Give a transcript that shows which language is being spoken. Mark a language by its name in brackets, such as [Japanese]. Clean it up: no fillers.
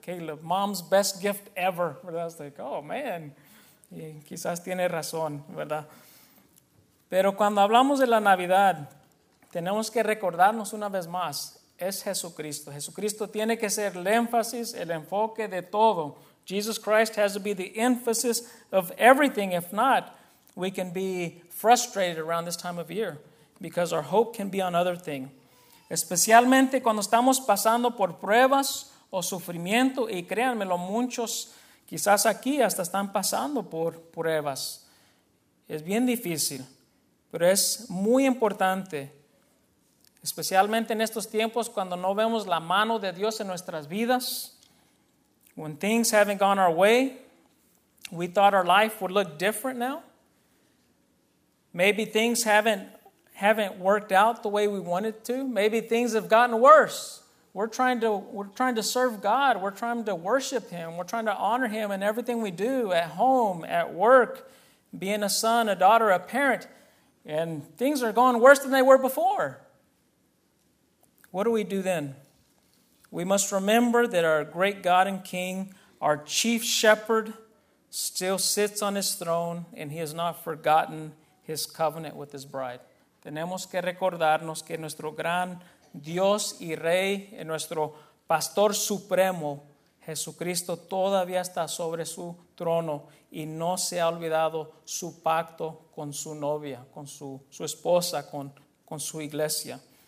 [English] Caleb, mom's best gift ever, ¿verdad? It's like, oh man, [Spanish] y quizás tiene razón, ¿verdad? Pero cuando hablamos de la Navidad, tenemos que recordarnos una vez más, es Jesucristo. Jesucristo tiene que ser el énfasis, el enfoque de todo. [English] Jesus Christ has to be the emphasis of everything. If not, we can be frustrated around this time of year because our hope can be on other things. [Spanish] Especialmente cuando estamos pasando por pruebas o sufrimiento, y créanmelo, muchos quizás aquí hasta están pasando por pruebas. Es bien difícil, pero es muy importante, especialmente en estos tiempos cuando no vemos la mano de Dios en nuestras vidas. [English] When things haven't gone our way, we thought our life would look different now. Maybe things haven't worked out the way we wanted to. Maybe things have gotten worse. We're trying to serve God. We're trying to worship Him. We're trying to honor Him in everything we do, at home, at work, being a son, a daughter, a parent. And things are going worse than they were before. What do we do then? We must remember that our great God and King, our chief shepherd, still sits on His throne and He has not forgotten His covenant with His bride. [Spanish] Tenemos que recordarnos que nuestro gran Dios y Rey, y nuestro Pastor Supremo, Jesucristo, todavía está sobre su trono y no se ha olvidado su pacto con su novia, con su esposa, con su iglesia.